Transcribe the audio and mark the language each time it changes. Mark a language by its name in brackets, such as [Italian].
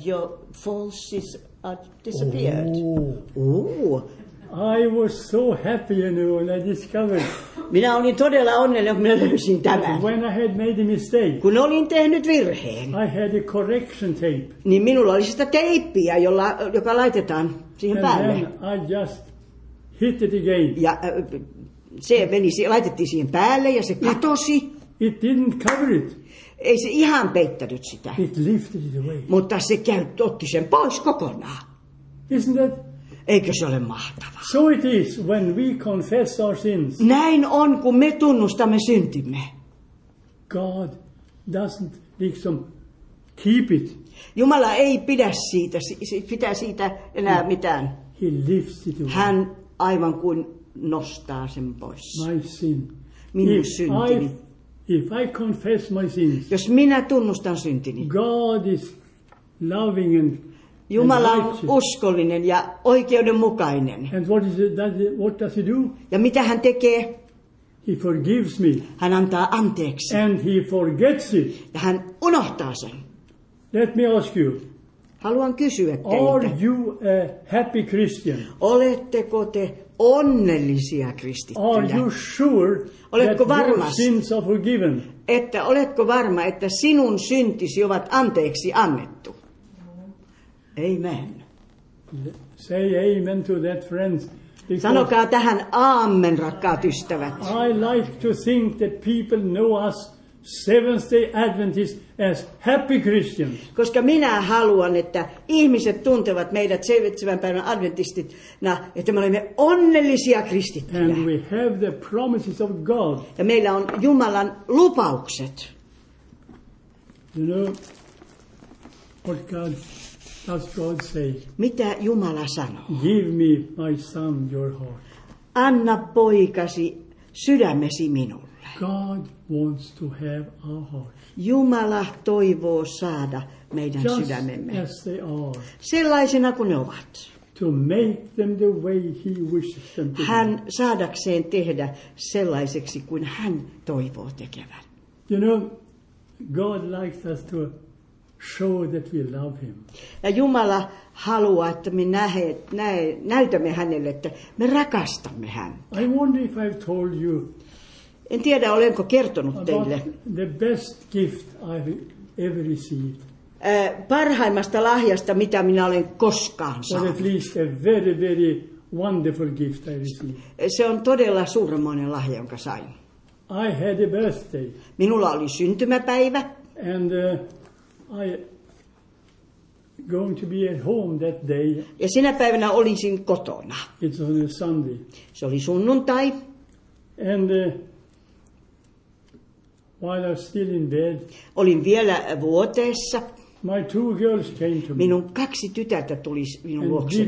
[English] Your falsies are disappeared. Ooh. I was so happy, you know, when I discovered. [Finnish] Minä olin todella onnellinen, kun minä löysin tämän. [English] When I had made a mistake. [Finnish] Kun olin tehnyt virheen. [English] I had a correction tape. [Finnish] Niin minulla oli sitä teippiä, joka laitetaan siihen päälle. [English] Then I just hit it again. [Finnish] Ja se meni, laitettiin siihen päälle ja se katosi. [English] It didn't cover it. [Finnish] Ei se ihan peittänyt sitä. [English] It lifted it away. [Finnish] Mutta se otti sen pois kokonaan. [English] Isn't that? [Finnish] Eikö se ole mahtavaa? [English] So it is when we confess our sins. [Finnish] Näin on, kun me tunnustamme syntimme. [English] God doesn't liksom keep it. [Finnish] Jumala ei pidä siitä, pitää siitä enää mitään. [English] He lifts it away. [Finnish] Hän aivan kuin nostaa sen pois. [English] My sin. [Finnish] Minun syntini. [English] If I confess my sins. [Finnish] Jos minä tunnustan syntini. [English] God is loving and [Finnish] Jumala on uskollinen ja oikeudenmukainen. [English] And what is it, what does he do? [Finnish] Ja mitä hän tekee? [English] He forgives me. [Finnish] Hän antaa anteeksi. [English] And he forgets it. [Finnish] Ja hän unohtaa sen. [English] Let me ask you. [Finnish] Haluan kysyä teiltä. [English] Are you a happy Christian? [Finnish] Oletteko te onnellisia kristittyjä? [English] Are you sure? [Finnish] Oletko [English] varma? Sins are forgiven. [Finnish] Että oletko varma, että sinun syntisi ovat anteeksi annettu? [English] Amen. Say amen to that, friends. [Finnish] Sanokaa tähän aamen, rakkaat ystävät. [English] I like to think that people know us Seventh-day Adventists as happy Christians. [Finnish] Koska minä haluan, että ihmiset tuntevat meidät seitsemän päivän adventistina, että me olemme onnellisia kristittyjä. [English] And we have the promises of God. [Finnish] Ja meillä on Jumalan lupaukset. [English] You know what God does God say? [Finnish] Mitä Jumala sanoo? [English] Give me, my son, your heart. [Finnish] Anna poikasi sydämesi minulle. [English] God wants to have our hearts. [Finnish] Jumala toivoo saada meidän [English] just [Finnish] sydämemme. [English] As they are. [Finnish] Sellaisena kuin ne ovat. [English] To make them the way he wishes them to. [Finnish] Hän saadakseen tehdä sellaiseksi kuin hän toivoo tekevän. [English] You know, God likes us to show that we love him. [Finnish] Ja Jumala haluaa, että me näytämme hänelle, että me rakastamme häntä. [English] I wonder if I've told you. [Finnish] En tiedä, olenko kertonut [English] about [Finnish] teille. [English] The best gift I've ever received. [Finnish] Parhaimmasta lahjasta, mitä minä olen koskaan saanut. [English] Or at least a very, very wonderful gift I received. [Finnish] Se on todella suuremmoinen lahja, jonka sain. [English] I had a birthday. [Finnish] Minulla oli syntymäpäivä. [English] And I going to be at home that day. [Finnish] Ja sinä päivänä olisin kotona. [English] It was on a Sunday. [Finnish] Se oli sunnuntai. [English] And while I was still in bed. [Finnish] Olin vielä vuoteessa. [English] My two girls came to me. [Finnish] Minun kaksi tytärtä tuli minun luokseni.